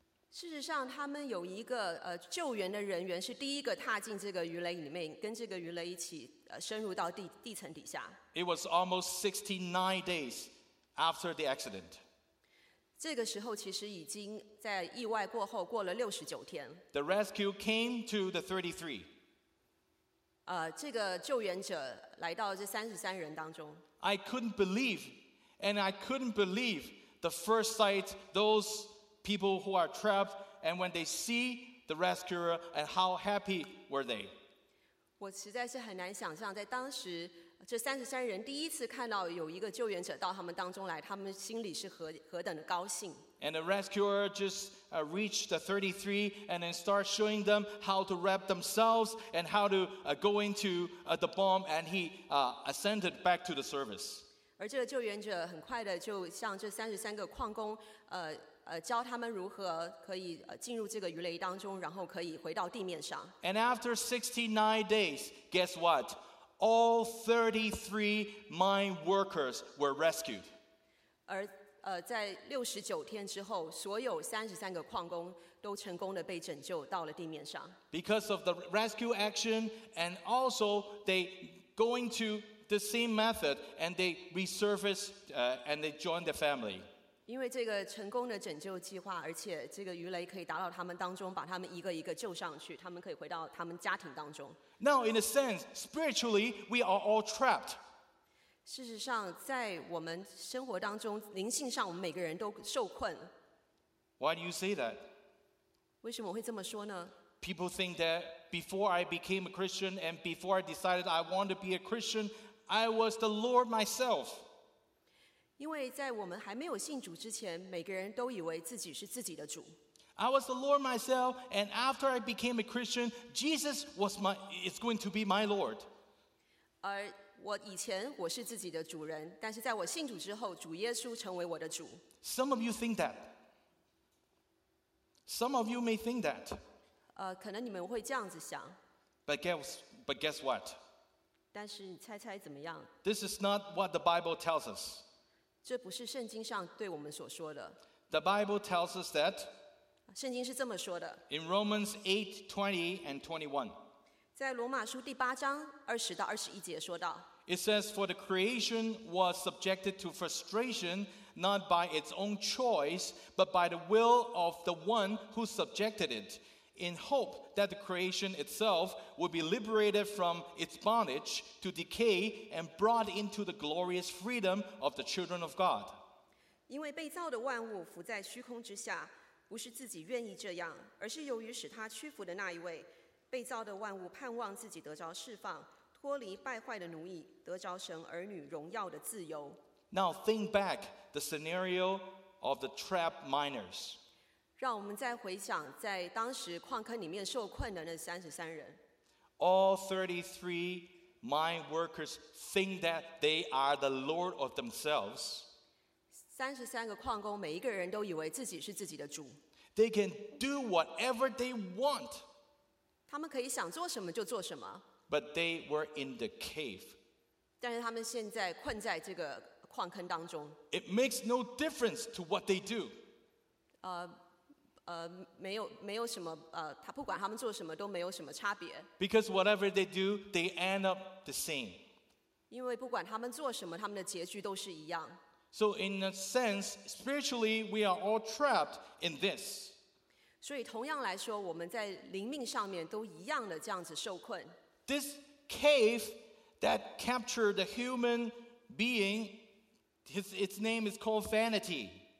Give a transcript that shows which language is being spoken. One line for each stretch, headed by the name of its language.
Chinese: 事实上，他们有一个救援的人员是第一个踏进这个鱼雷里面，跟这个鱼雷一起。深入到地层底下。
English: It was almost 69 days after the accident.
Chinese: 这个时候其实已经在意外过后过了69天。
English: The rescue came to the 33.
Chinese: 这个救援者来到这33人当中。
English: I couldn't believe the first sight those people who are trapped and when they see the rescuer and how happy were they.
Chinese: 我实在是很难想象，在当时这33人第一次看到有一个救援者到他们当中来，他们心里是何等的高兴。
English: And the rescuer just reached the 33 and then start showing them how to wrap themselves and how to go into the bomb, and he ascended back to the surface.
Chinese: 而这个救援者很快的就向这33个矿工教他们如何可以进入这个鱼雷当中，然后可以回到地面上。
English: And after 69 days, guess what? All 33 mine workers were rescued.
Chinese: 而在69天之后，所有33个矿工都成功的被拯救到了地面上。
English: Because of the rescue action, and also they going to the same method, and they resurfaced, and they joined the family.
Chinese: 因为这个成功的拯救计划，而且这个鱼雷可以打到他们当中，把他们一个一个救上去，他们可以回到他们家庭当中。
English: Now, in a sense, spiritually, we are all trapped.
Chinese: 事实上，在我们生活当中，灵性上，我们每个人都受困。
English: Why do you say that?
Chinese: 为什么我会这么说呢？
English: People think that before I became a Christian and before I decided I want to be a Christian, I was the Lord myself.
Chinese: 因为在我们还没有信主之前，每个人都以为自己是自己的主。
English: I was the Lord myself, and after I became a Christian, Jesus was is going to be my Lord.
Chinese: 而我以前我是自己的主人，但是在我信主之后，主耶稣成为我的主。
English: Some of you think that. Some of you may think that.
Chinese: 可能你们会这样子想。
English: But guess what?
Chinese: 但是你猜猜怎么样
English: ？This is not what the Bible tells us.
Chinese: 这不是圣经上对我们所说的。
English: The Bible tells us that.
Chinese: 圣经是这么说的。
English: In Romans 8:20 and 21.
Chinese: 在罗马书第八章20-21节说到。
English: It says, "For the creation was subjected to frustration, not by its own choice, but by the will of the one who subjected it, in hope that the creation itself would be liberated from its bondage to decay and brought into the glorious freedom of the children of God."
Chinese: 因为被造的万物浮在虚空之下，不是自己愿意这样，而是由于使他屈服的那一位，被造的万物盼望自己得着释放，脱离败坏的奴役，得着神儿女荣耀的自由。
English: Now think back the scenario of the trapped miners.
Chinese: 让我们再回想在当时矿坑里面受困的那33人。
English: All 33 mine workers think that they are the lord of themselves.
Chinese: 33个矿工每一个人都以为自己是自己的主。
English: They can do whatever they want.
Chinese: 他们可以想做什么就做什么。
English: But they were in the cave.
Chinese: 但是他们现在困在这个矿坑当中。
English: It makes no difference to what they do.
Chinese: 没有什么他不管他们做什么都没有什么差别。
English: Because whatever they do, they end up the same.
Chinese: 因为不管他们做什么，他们的结局都是一样。
English: So in a sense, spiritually, we are all trapped in this.
Chinese: 所以同样来说，我们在灵命上面都一样的这样子受困。
English: This cave that captured the human being, its name is called vanity.